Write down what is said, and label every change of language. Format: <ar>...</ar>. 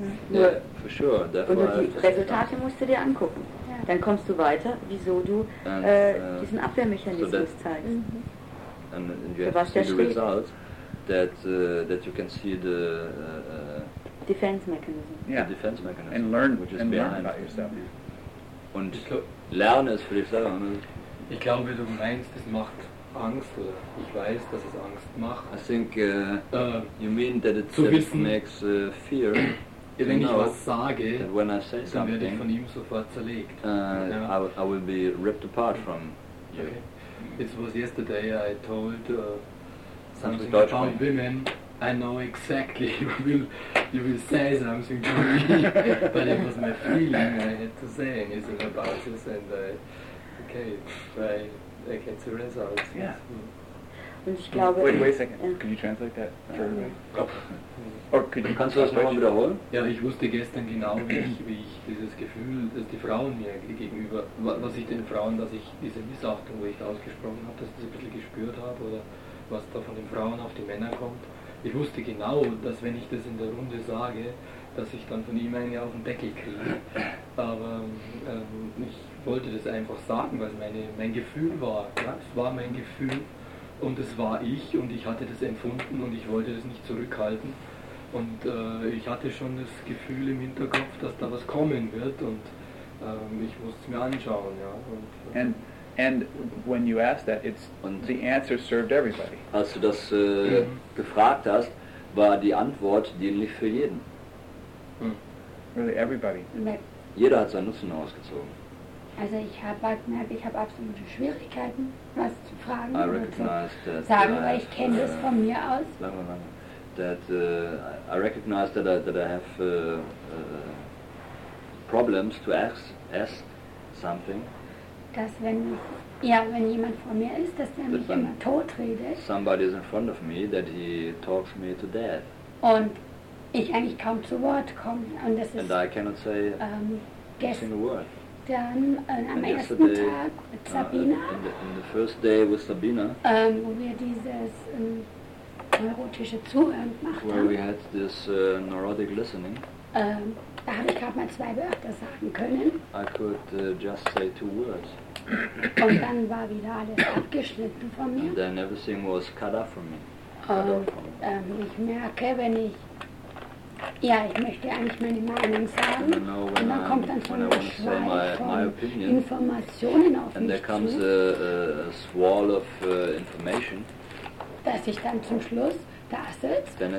<de>Nur</de> <en>for sure, that</en> <de>und die Resultate musst du dir angucken. Yeah. Dann kommst du weiter, wieso du diesen Abwehrmechanismus so zeigst. Mm-hmm.</de> <en>And you have so to see the result that, that you can see the defense mechanism. Yeah, the defense mechanism. And learn, which is behind about yourself.</en> <de>Und lernen ist für dich selber. Ne? Ich glaube, du meinst, es macht Angst, oder ich weiß, dass es Angst macht.</de> <en>I think you mean that it makes fear.</en> <de>Wenn ich was sage, dann werde ich von ihm sofort zerlegt.</de> <en>I will be ripped apart from you. Okay. It was yesterday I told something about women. I know exactly you will say something to me, but it was my feeling I had to say anything about this, and I get the results. Yeah. Mm. Wait a second. Yeah. Can you translate that for me? Or could you</en> <de>kannst du das nochmal wiederholen? Ja, ich wusste gestern genau, wie ich dieses Gefühl, dass die Frauen mir gegenüber, was ich den Frauen, dass ich diese Missachtung, wo ich ausgesprochen habe, dass ich das ein bisschen gespürt habe, oder was da von den Frauen auf die Männer kommt. Ich wusste genau, dass wenn ich das in der Runde sage, dass ich dann von ihm eine auf den Deckel kriege. Aber ich wollte das einfach sagen, weil mein Gefühl war, ja, es war mein Gefühl und es war ich und ich hatte das empfunden und ich wollte das nicht zurückhalten. Und ich hatte schon das Gefühl im Hinterkopf, dass da was kommen wird und ich musste es mir anschauen. Ja.</de> <en>And when you asked that, it's und the answer served everybody.</en> <de>Als du das gefragt hast, war die Antwort dienlich für jeden.</de> <en>Hm. Really everybody.</en> <de>Nee. Jeder hat seinen Nutzen ausgezogen. Also ich habe gemerkt, ich habe absolute Schwierigkeiten, was zu fragen</de> <en>I recognized</en> <de>oder zu</de> <en>that</en> <de>sagen, weil ich kenne das von mir aus.</de> <en>That I recognize that I have problems to ask something.</en> <de>Dass wenn jemand vor mir ist, dass der mich immer tot redet.</de> <en>Somebody is in front of me, that he talks me to death.</en> <de>Und ich eigentlich kaum zu Wort komme. Und das ist.</de> <en>And I cannot say a single word.</en> <de>Dann am ersten Tag mit Sabina.</de> <en>In the first day with Sabina.</en> <de>Wo wir dieses neurotische Zuhören gemacht haben.</de> <en>Where we had this neurotic listening.</en> <de>Da habe ich gerade mal zwei Wörter sagen können.</de> <en>I could just say two words.</en> <de>Und dann war wieder alles abgeschnitten von mir.</de> <en>And then everything was cut off from me.</en> <de>Ich merke, wenn ich, ja, ich möchte eigentlich meine Meinung sagen. Und dann kommt dann so ein Schwall von Informationen auf</de> <en>and</en> <de>mich zu.</de> <en>And there comes a swirl of information.</en> <de>Dass ich dann zum Schluss da sitze.</de>